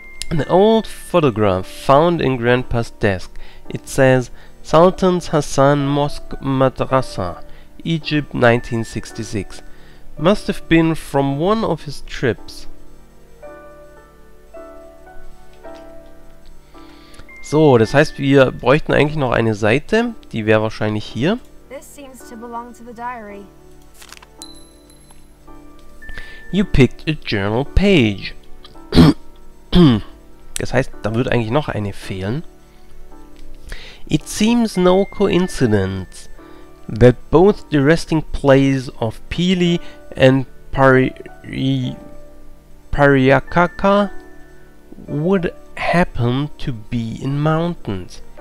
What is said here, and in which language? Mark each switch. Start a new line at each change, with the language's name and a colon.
English: An old photograph found in Grandpa's desk. It says Sultan's Hassan Mosque Madrasa, Egypt, 1966. Must have been from one of his trips.
German: So, das heißt, wir bräuchten eigentlich noch eine Seite. Die wäre wahrscheinlich hier.
English: This seems to belong to the diary. You picked a journal page.
German: Das heißt, da wird eigentlich noch eine fehlen.
English: It seems no coincidence that both the resting place of Pili and Pariakaka would happen to be in mountains.